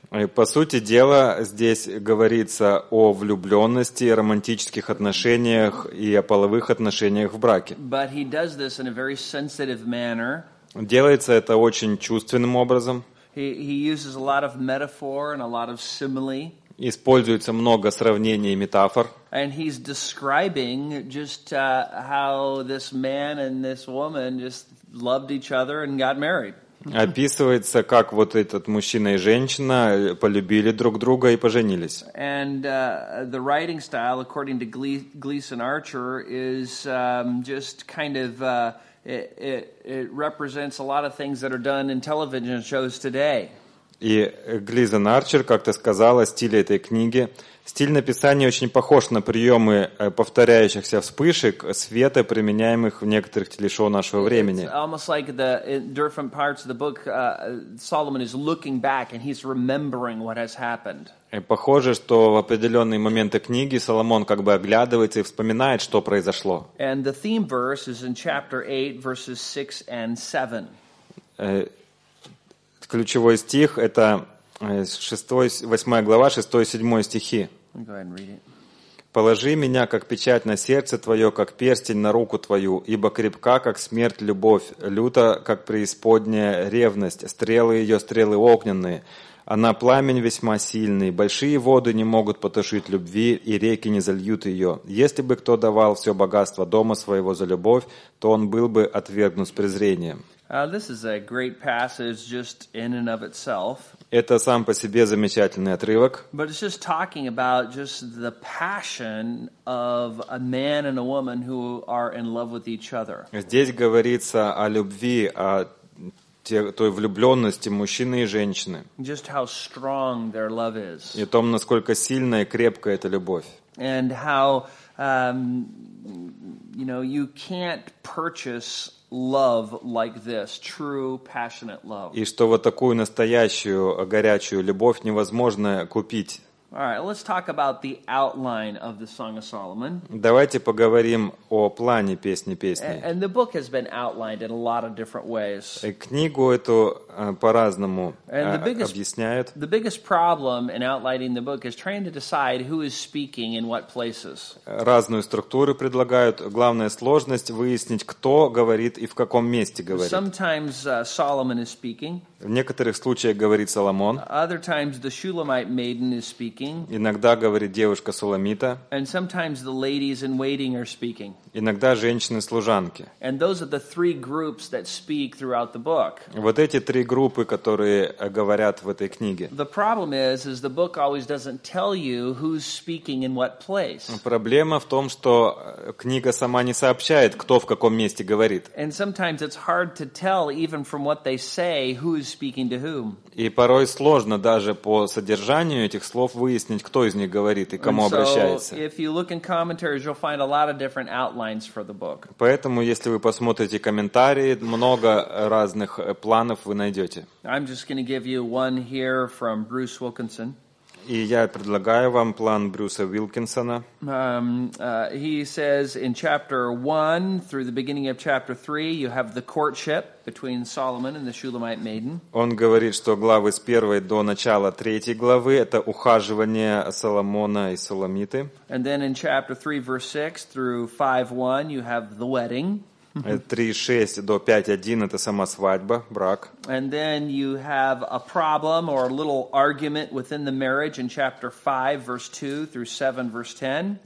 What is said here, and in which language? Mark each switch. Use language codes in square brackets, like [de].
[ru] И по сути дела здесь говорится о влюбленности, романтических отношениях и о половых отношениях в браке. [en] But he does this in a very sensitive manner. [ru] Делается это очень чувственным образом. [en] He uses a lot of metaphor and a lot of simile. [ru] Используется много сравнений и метафор. [en] And he's describing just how this man and this woman just loved each other and got married. [ru] Описывается, как вот этот мужчина и женщина полюбили друг друга и поженились. [en] And the writing style, according to Gleason Archer, is just kind of... It represents a lot of things that are done in television shows today. [ru] И Глизон Арчер как-то сказал о стиле этой книги. Стиль написания очень похож на приемы повторяющихся вспышек света, применяемых в некоторых телешоу нашего времени. [en] It's almost like in different parts of the book, Solomon is looking back and he's remembering what has happened. [ru] Похоже, что в определенные моменты книги Соломон как бы оглядывается и вспоминает, что произошло. [en] And the theme verse is in chapter 8, verses 6 and 7. [ru] Ключевой стих – это 8 глава, 6 и 7 стихи. «Положи меня, как печать на сердце твое, как перстень на руку твою, ибо крепка, как смерть, любовь, люта, как преисподняя ревность, стрелы ее, стрелы огненные. Она пламень весьма сильный, большие воды не могут потушить любви, и реки не зальют ее. Если бы кто давал все богатство дома своего за любовь, то он был бы отвергнут с презрением». [en] This is a great passage just in and of itself. [ru] Это сам по себе замечательный отрывок. [en] But it's just talking about just the passion of a man and a woman who are in love with each other. [ru] Здесь говорится о любви, о той влюбленности мужчины и женщины. [en] Just how strong their love is. [ru] И о том, насколько сильная и крепкая эта любовь. [en] And how, you know, you can't purchase love like this, true passionate love. [ru] И что вот такую настоящую горячую любовь невозможно купить. [en] All right, let's talk about the outline of the Song of Solomon. [ru] Давайте поговорим о плане Песни Песней. [en] And the book has been outlined in a lot of different ways. [ru] Книгу эту по-разному объясняют. [en] The biggest problem in outlining the book is trying to decide who is speaking in what places. [ru] Разную структуру предлагают. Главная сложность выяснить, кто говорит и в каком месте говорит. [en] Sometimes Solomon is speaking. [ru] В некоторых случаях говорит Соломон. [en] Other times the Shulamite maiden is speaking. [ru] Иногда говорит девушка Суламита. [en] And sometimes the ladies in waiting are speaking. [ru] Иногда женщины-служанки. [en] And those are the three groups that speak throughout the book. [ru] Вот эти три группы, которые говорят в этой книге. [en] The problem is the book always doesn't tell you who's speaking in what place. [ru] Проблема в том, что книга сама не сообщает, кто в каком месте говорит. [en] And sometimes it's hard to tell even from what they say who is speaking to whom. [ru] И порой сложно даже по содержанию этих слов выяснить, кто из них говорит и кому обращается. [en] If you look in commentaries, you'll find a lot of different outlines for the book. [ru] Поэтому, если вы посмотрите комментарии, много разных планов вы найдете. [en] I'm just going to give you one here from Bruce Wilkinson. [ru] И я предлагаю вам план Брюса Уилкинсона. [en] He says in chapter 1 through the beginning of chapter 3 you have the courtship between Solomon and the Shulamite maiden. [ru] Он говорит, что главы с 1 до начала 3 главы это ухаживание Соломона и Соломиты. [en] And then in chapter 3 verse 6 through 5:1 you have the wedding. [ru] 3:6 до 5:1 это сама свадьба, брак. [en] And then you have a problem or a little argument within the marriage in chapter 5 verse 2 through 7 verse 10.